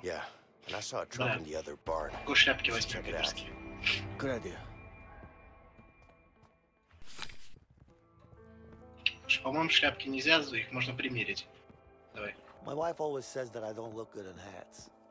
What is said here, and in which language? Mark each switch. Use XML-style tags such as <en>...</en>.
<en>Yeah, and I saw a truck in the other barn.</en> <ru>Go шляпки возьми, Петерский.</ru> <en>Good idea.</en> <ru>По-моему, шляпки нельзя, их можно примерить. Давай.</ru> <en>My wife always says that I don't look good in hats.</en>